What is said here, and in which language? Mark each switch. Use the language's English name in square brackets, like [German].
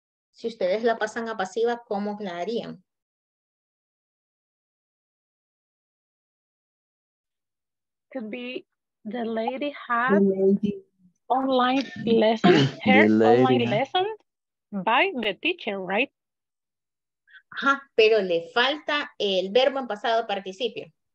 [Spanish] Si ustedes la pasan a pasiva, ¿cómo la harían? [English] Could be the lady had online lessons, her online lesson by the teacher, right? [Spanish] Ajá, pero le falta el verbo en pasado participio.